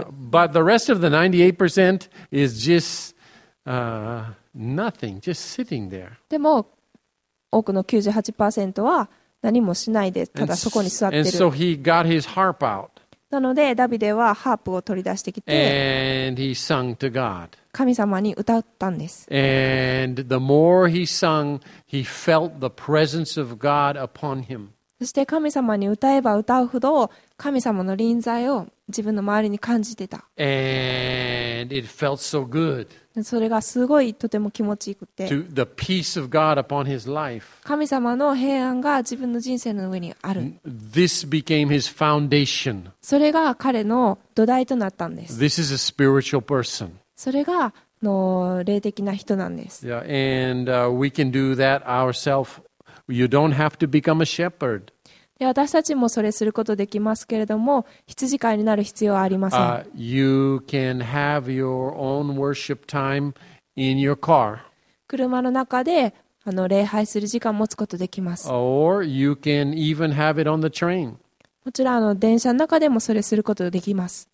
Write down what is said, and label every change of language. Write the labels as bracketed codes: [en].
[en] Yeah, but the rest of the 98% is just nothing, just sitting there. [ja] でも多くの 98% は何もしないで、ただそこに座ってる。 [en] And so he got his harp out. [ja] なのでダビデはハープを取り出してきて、 [en] And he sung to God. [ja] 神様に歌ったんです。 [en] And the more he sung, he felt the presence of God upon him. [ja] そして神様に歌えば歌うほど神様の臨在を自分の周りに感じてた。 [en] And it felt so good. [ja] それがすごいとても気持ちよくて、 [en] to the peace of God upon his life. [ja] 神様の平安が自分の人生の上にある。 [en] This became his foundation. [ja] それが彼の土台となったんです。 [en] This is a spiritual person. [ja] それがの霊的な人なんです。 [en] Yeah, and we can do that ourselves. You don't have to become a shepherd. [ja] いや、私たちもそれすることできますけれども、羊飼いになる必要はありません。 [en] You can have your own worship time in your car. [ja] 車の中で礼拝する時間を持つことできます。 [en] Or you can even have it on the train. [ja] もちろん電車の中でもそれすることができます。